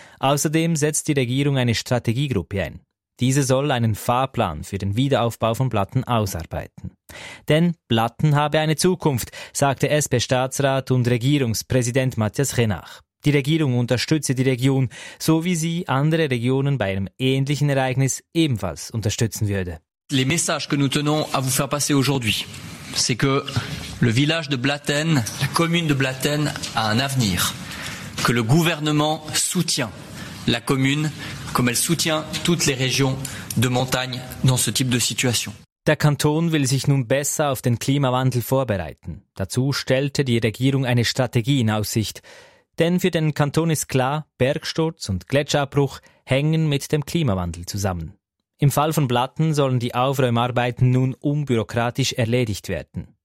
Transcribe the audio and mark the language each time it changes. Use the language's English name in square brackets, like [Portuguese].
[German] Außerdem setzt die Regierung eine Strategiegruppe ein. Diese soll einen Fahrplan für den Wiederaufbau von Platten ausarbeiten. Denn Platten habe eine Zukunft, sagte SP-Staatsrat und Regierungspräsident Matthias Henach. Die Regierung unterstütze die Region, so wie sie andere Regionen bei einem ähnlichen Ereignis ebenfalls unterstützen würde. [French] Les messages que nous tenons à vous faire passer aujourd'hui, c'est que le village de Blatten, la commune de Blatten a un avenir, que le gouvernement soutient la commune comme elle soutient toutes les régions de montagne dans ce type de situation. [German] Der Kanton will sich nun besser auf den Klimawandel vorbereiten. Dazu stellte die Regierung eine Strategie in Aussicht. Denn für den Kanton ist klar, Bergsturz und Gletscherabbruch hängen mit dem Klimawandel zusammen. Im Fall von Blatten sollen die Aufräumarbeiten nun unbürokratisch erledigt werden.